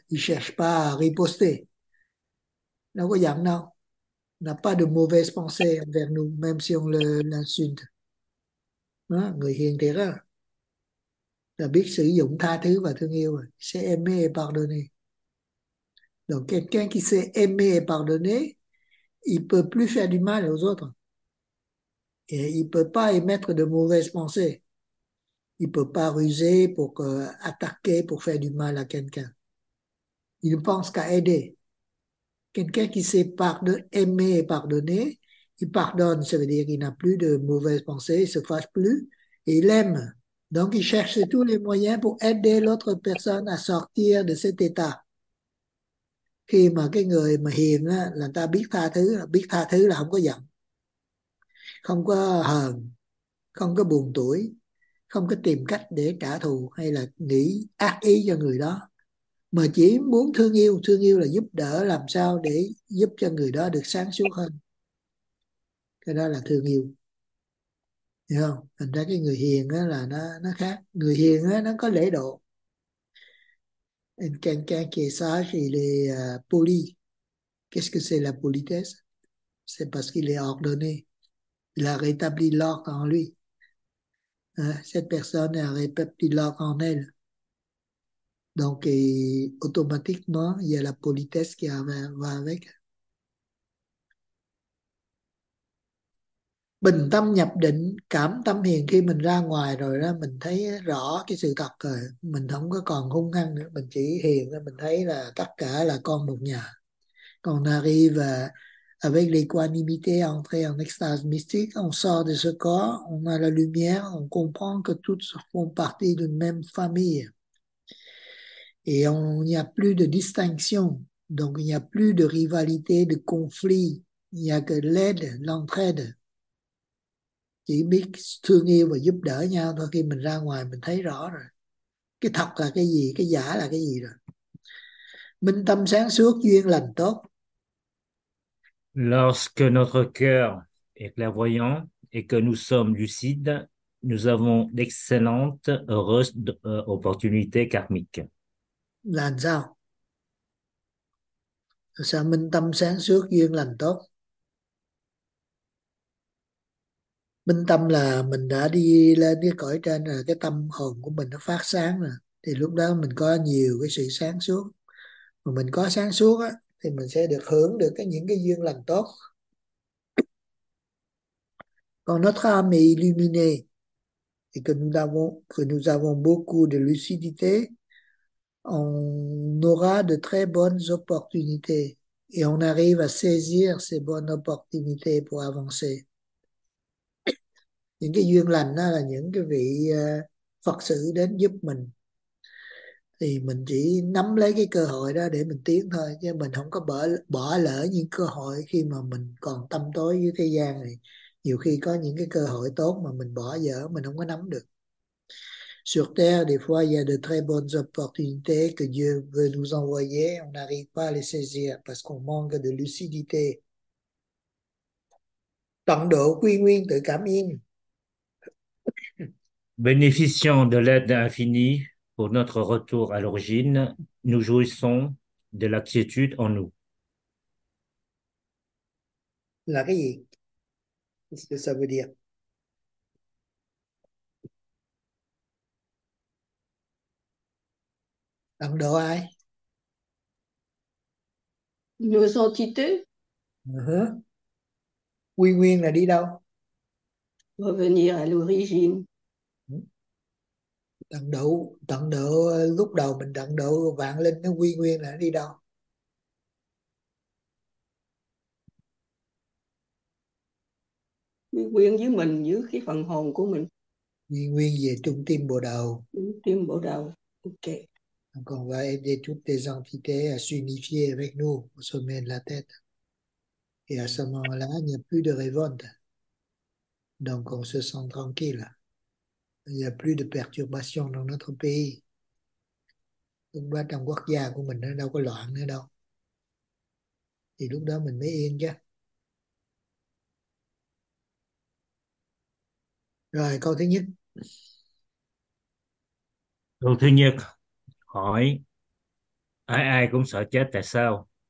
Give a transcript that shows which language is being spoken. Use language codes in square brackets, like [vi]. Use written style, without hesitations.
[fr] Il cherche pas à riposter. Il n'a rien, non. Il n'a pas de mauvaise pensée envers nous, même si on l'insulte. [vi] Hein? Người hiền thiệt đó. Là biết sử dụng tha thứ và thương yêu. [fr] C'est aimer et pardonner. Donc, quelqu'un qui sait aimer et pardonner, il peut plus faire du mal aux autres. Et il ne peut pas émettre de mauvaises pensées. Il ne peut pas ruser pour attaquer, pour faire du mal à quelqu'un. Il ne pense qu'à aider. Quelqu'un qui sait aimer et pardonner, il pardonne, ça veut dire qu'il n'a plus de mauvaises pensées, il ne se fâche plus, et il aime. Donc il cherche tous les moyens pour aider l'autre personne à sortir de cet état. [vi] Khi mà cái người mà hiền á, là ta biết tha thứ là không có giận. Không có hờn, không có buồn tủi, không có tìm cách để trả thù hay là nghĩ ác ý cho người đó. mà chỉ muốn thương yêu. Thương yêu là giúp đỡ, làm sao để giúp cho người đó được sáng suốt hơn, cái đó là thương yêu, hiểu không? Thành ra cái người hiền á là nó khác, người hiền á nó có lễ độ, can can kia sa thì là [fr] poli, qu'est-ce que c'est la politesse, c'est parce qu'il est ordonné, il a rétabli l'ordre en lui. Cette personne a rétabli l'ordre en elle. Donc, et automatiquement, il y a la politesse qui va avec. [vi] Bình tâm nhập định, cảm tâm hiền, khi mình ra ngoài rồi đó, mình thấy rõ cái sự thật rồi. Mình không có còn hung hăng nữa, mình chỉ hiền, mình thấy là tất cả là con một nhà. [fr] Còn on arrive à, avec l'équanimité, entrer en extase mystique, on sort de ce corps, on a la lumière, on comprend que toutes font partie d'une même famille. Et on n'y a plus de distinction, donc il n'y a plus de rivalité, de conflit, il n'y a que l'aide, l'entraide. [vi] Chỉ biết thương yêu và giúp đỡ nhau thôi, khi mình ra ngoài mình thấy rõ rồi. Cái thật là cái gì, cái giả là cái gì rồi. Minh tâm sáng suốt, duyên lành tốt. [fr] Lorsque notre cœur est clairvoyant et que nous sommes lucides, nous avons d'excellentes, heureuses opportunités karmiques. [vi] Làm sao? Sao minh tâm sáng suốt, duyên lành tốt? Minh tâm là mình đã đi lên cái cõi trên rồi, cái tâm hồn của mình nó phát sáng rồi, thì lúc đó mình có nhiều cái sự sáng suốt. Mà mình có sáng suốt á thì mình sẽ được hưởng được cái những cái duyên lành tốt. [fr] Còn notre âme est illuminée et que nous avons beaucoup de lucidité, on aura de très bonnes opportunités et on arrive à saisir ces bonnes opportunités pour avancer. [vi] Những cái duyên lành đó là những cái vị Phật sự đến giúp mình, thì mình chỉ nắm lấy cái cơ hội đó để mình tiến thôi, chứ mình không có bỏ lỡ những cơ hội khi mà mình còn tâm tối với thế gian này. Nhiều khi có những cái cơ hội tốt mà mình bỏ dở, mình không có nắm được. [fr] Sur Terre, des fois, il y a de très bonnes opportunités que Dieu veut nous envoyer. On n'arrive pas à les saisir parce qu'on manque de lucidité. [vi] Tận độ quy nguyên tự cảm yên. [fr] Bénéficiant de l'aide infinie pour notre retour à l'origine, nous jouissons de la quiétude en nous. [vi] Là cái gì? [fr] Qu'est-ce que ça veut dire? [vi] Tận độ ai? [fr] Nos entités [vi] Quy nguyên là đi đâu? [fr] revenir à l'origine. [vi] Tận độ lúc đầu mình tận độ vạn linh, nó quy nguyên là nó đi đâu? Quyền với mình, với cái phần hồn của mình, Quy nguyên về trung tâm bộ đầu, đứng tim bộ đầu. Ok. [fr] còn va aider toutes les entités à s'unifier avec nous au sommet de la tête. Et à ce moment-là, il n'y a plus de révolte. Donc, on se sent tranquille. Il n'y a plus de perturbation dans notre pays. [vi] Lúc đó trong quốc gia của mình nó đâu có loạn nữa đâu. Thì lúc đó mình mới yên chứ. Rồi, câu thứ nhất. Câu thứ nhất hỏi ai ai cũng sợ chết tại sao?